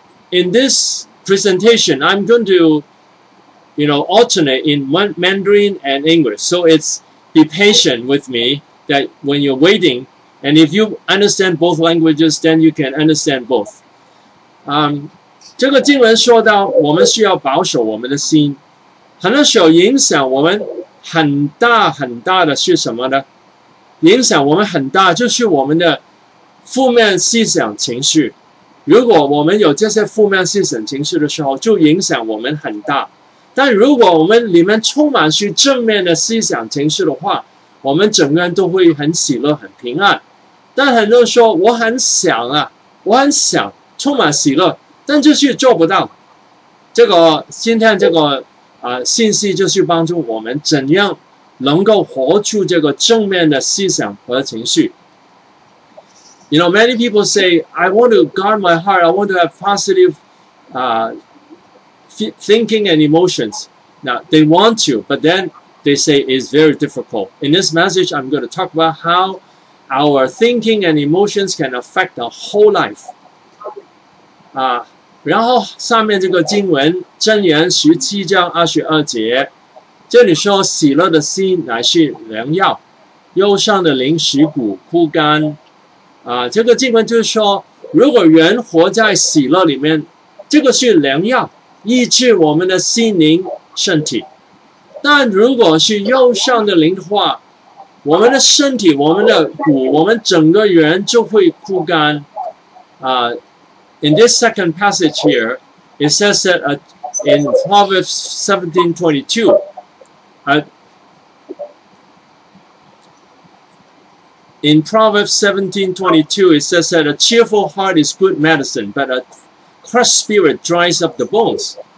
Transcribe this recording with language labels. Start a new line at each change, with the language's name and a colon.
English: In this presentation, I'm going to, you know, alternate in Mandarin and English. So it's,Be patient with me that when you're waiting, and if you understand both languages, then you can understand both.
Chinese: 这个经文说到我们需要保守我们的心，很多时候影响我们很大很大的是什么呢？影响我们很大就是我们的负面思想情绪。如果我们有这些负面思想情绪的时候，就影响我们很大。但如果我们里面充满是正面的思想情绪的话，我们整个人都会很喜乐很平安。但很多人说我很想啊，我很想充满喜乐，但就是做不到。这个今天这个信息就是帮助我们怎样能够活出这个正面的思想和情绪。
English: You know, many people say, I want to guard my heart, I want to have positive, thinking and emotions. Now, they want to, but then they say it's very difficult. In this message, I'm going to talk about how our thinking and emotions can affect the whole life.
Chinese: 然后上面这个经文，箴言十七章二十二节，这里说喜乐的心乃是良药，忧伤的灵食骨枯干。这个经文就是说，如果人活在喜乐里面，这个是良药，医治我们的心灵身体。但如果是忧伤的灵的话，我们的身体，我们的骨，我们整个人就会枯干。
English: In this second passage here, it says that in Proverbs 17:22, it says that a cheerful heart is good medicine, but a crushed spirit dries up the bones.